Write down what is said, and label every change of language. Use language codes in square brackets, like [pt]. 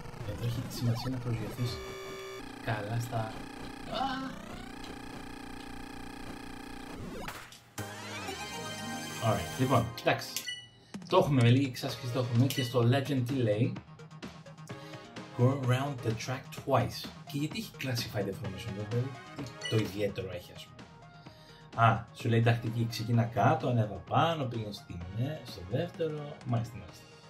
[el] Εδώ έχει τη σημασία να προσγειωθείς καλά στα... Ωραία, λοιπόν, εντάξει. Το έχουμε με λίγη εξάσκηση, το έχουμε και στο Legend τι λέει. [en] Go around the track twice. [el] Και γιατί έχει classified information, δηλαδή, τι το ιδιαίτερο έχει, ας πούμε. Σου λέει τακτική, ξεκίνα κάτω, ανέβα πάνω, πήγαινε στη μία, στο δεύτερο, μάλιστα, μάλιστα.